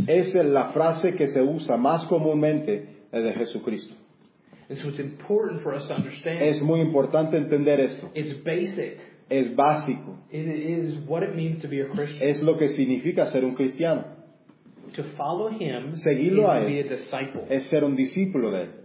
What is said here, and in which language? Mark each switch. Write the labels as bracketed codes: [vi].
[es] Es la frase que se usa más comúnmente de Jesucristo. [en] And so it's important for us to understand. [es] Es muy importante entender esto. [en] It's basic. [es] Es básico. [en] It is what it means to be a Christian. [es] Es lo que significa ser un cristiano. [en] To follow him. [es] Seguirlo a él. [en] Be a disciple. [es] Es ser un discípulo de él.